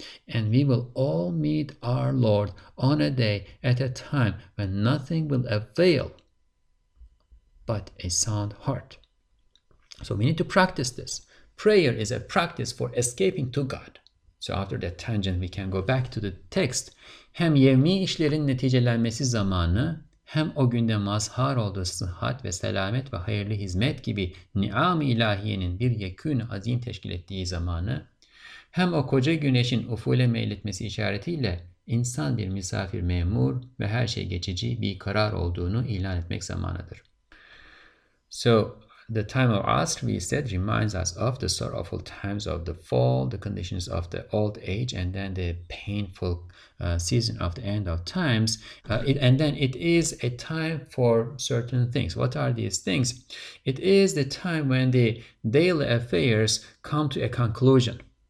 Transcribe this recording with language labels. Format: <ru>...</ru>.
<en>And we will all meet our Lord on a day at a time when nothing will avail but a sound heart. So we need to practice this. Prayer is a practice for escaping to God. So after that tangent, we can go back to the text.</en> <tr>Hem yevmi işlerin neticelenmesi zamanı, hem o günde mazhar olduğu sıhhat ve selamet ve hayırlı hizmet gibi ni'am-ı ilahiyenin bir yekûn-ı azim teşkil ettiği zamanı, hem o koca güneşin ufule meyletmesi işaretiyle insan bir misafir memur ve her şey geçici bir karar olduğunu ilan etmek zamanıdır.</tr> <en>So the time of Asr, we said, reminds us of the sorrowful times of the fall, the conditions of the old age, and then the painful season of the end of times. It is a time for certain things. What are these things? It is the time when the daily affairs come to a conclusion.</en>